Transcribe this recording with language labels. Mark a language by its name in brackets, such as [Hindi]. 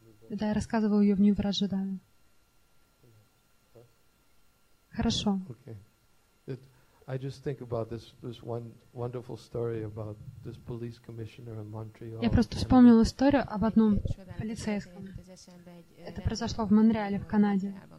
[Russian] Да, я рассказывал ее в Нью-Вражедане. Хорошо. [English] I just think about this one wonderful story about this police commissioner in Montreal. [Russian] Я просто вспомнил историю об одном полицейском. Это произошло в Монреале, в Канаде.